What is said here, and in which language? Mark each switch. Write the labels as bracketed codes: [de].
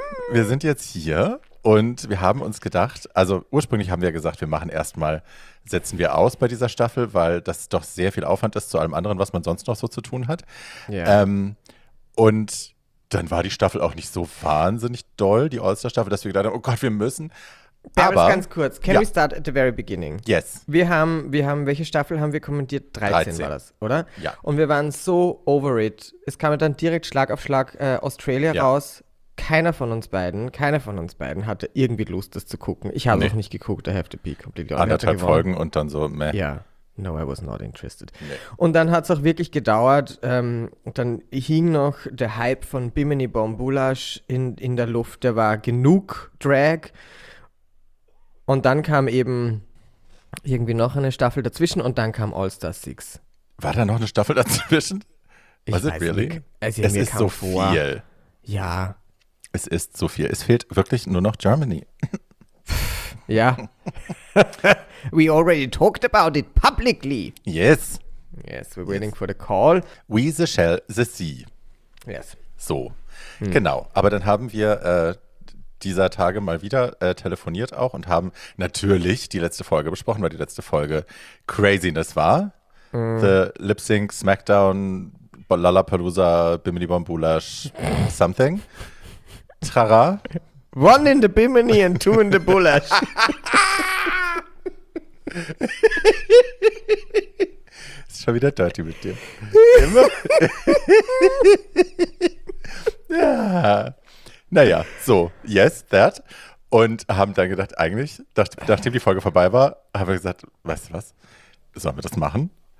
[de] Wir sind jetzt hier und wir haben uns gedacht, also ursprünglich haben wir gesagt, wir machen erstmal, setzen wir aus bei dieser Staffel, weil das doch sehr viel Aufwand ist zu allem anderen, was man sonst noch so zu tun hat. [en] Yeah. [de] Und dann war die Staffel auch nicht so wahnsinnig doll, die All-Star-Staffel, dass wir gedacht haben, oh Gott, wir müssen. Aber ganz kurz, [en] can we start at the very beginning? Yes. [de] Wir haben, welche Staffel haben wir kommentiert? 13 war das, oder? Ja. Und wir waren so [en] over it. [de] Es kam dann direkt Schlag auf Schlag Australia raus. Keiner von uns beiden hatte irgendwie Lust, das zu gucken. Ich habe auch nicht geguckt, [en] I have to be completely honest. [de] Anderthalb Folgen und dann so, meh. Ja. [en] No, I was not interested. [de] Nee. Und dann hat es auch wirklich gedauert. Dann hing noch der Hype von Bimini Bombulash in der Luft. Der war genug Drag. Und dann kam eben irgendwie noch eine Staffel dazwischen und dann kam All Star 6. War da noch eine Staffel dazwischen? Was ist really? Also es ist so viel. Ja. Es ist so viel. Es fehlt wirklich nur noch Germany. Ja. [en] We already talked about it publicly. Yes. Yes, we're waiting for the call. We the shall the see. Yes. [de] So. Genau. Aber dann haben wir dieser Tage mal wieder telefoniert auch und haben natürlich die letzte Folge besprochen, weil die letzte Folge Craziness war. [en] The Lip Sync, Smackdown, Lollapalooza, Bimini Bombulash, something. Trara. One in the Bimini and two in the Bulash. [de] Ist schon wieder dirty mit dir. Immer. Ja. Naja, [en] so, yes, that. [de] Und haben dann gedacht, eigentlich, nachdem die Folge vorbei war, haben wir gesagt, weißt du was, sollen wir das machen?